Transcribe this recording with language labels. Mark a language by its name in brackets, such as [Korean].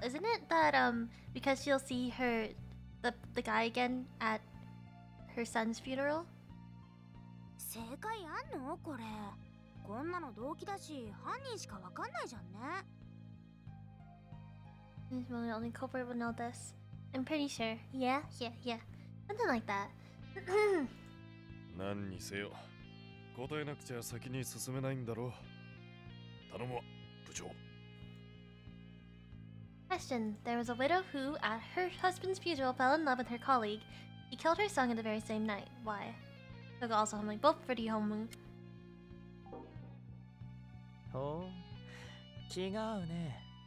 [English] Isn't it that because she'll see her the guy again at her son's funeral? [Japanese] 正解あんの？これこんなの動機だし犯人しかわかんないじゃんね。 [English] This one only culprit would know this. I'm pretty sure. Yeah, yeah, yeah. Something like that. [Japanese] 何にせよ答えなくちゃ先に進めないんだろう。頼むわ、部長。 [English] Question: There was a widow who, at her husband's funeral, fell in love with her colleague. He killed her son in the very same night. Why? So go also humming both pretty humming. [Japanese] Oh, 違うね。